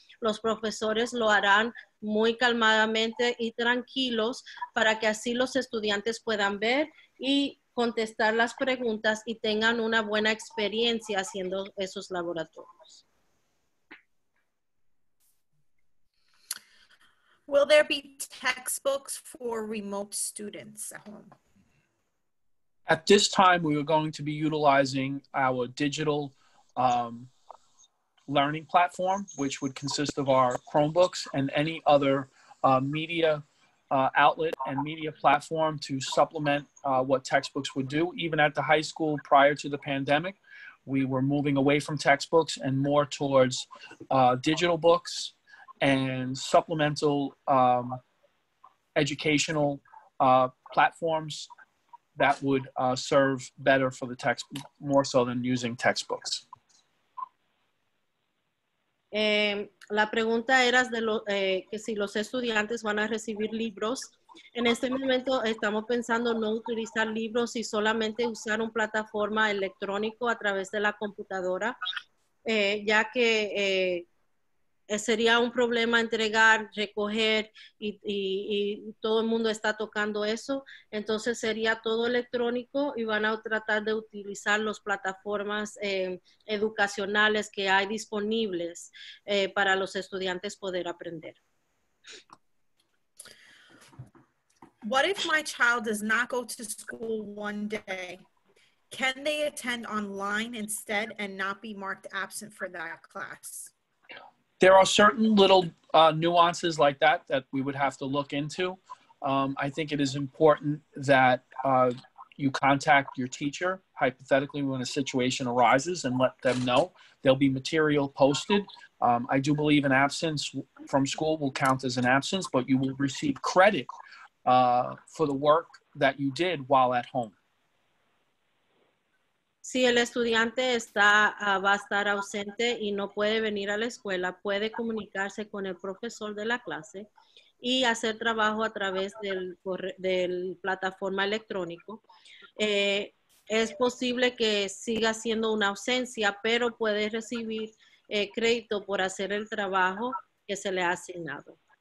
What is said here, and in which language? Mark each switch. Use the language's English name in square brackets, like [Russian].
[Spanish] Los profesores lo harán muy calmadamente y tranquilos para que así los estudiantes puedan ver y contestar las preguntas y tengan una buena experiencia haciendo esos laboratorios. [English] Will there be textbooks for remote students at home? At this time, we are going to be utilizing our digital learning platform, which would consist of our Chromebooks and any other media outlet and media platform to supplement what textbooks would do. Even at the high school prior to the pandemic, we were moving away from textbooks and more towards digital books and supplemental educational platforms that would serve better for the text, more so than using textbooks. [Spanish] La pregunta era de lo, que si los estudiantes van a recibir libros. En este momento estamos pensando no utilizar libros y solamente usar una plataforma electrónica a través de la computadora, ya que sería un problema entregar, recoger y todo el mundo está tocando eso. Entonces sería todo electrónico y van a tratar de utilizar las plataformas educacionales que hay disponibles para los estudiantes poder aprender. [English] What if my child does not go to school one day? Can they attend online instead and not be marked absent for that class? There are certain little nuances like that that we would have to look into. I think it is important that you contact your teacher, hypothetically, when a situation arises and let them know. There'll be material posted. I do believe an absence from school will count as an absence, but you will receive credit for the work that you did while at home. [Spanish] Si el estudiante está, va a estar ausente y no puede venir a la escuela, puede comunicarse con el profesor de la clase y hacer trabajo a través del, del plataforma electrónico. Es posible que siga siendo una ausencia, pero puede recibir crédito por hacer el trabajo que se le ha asignado.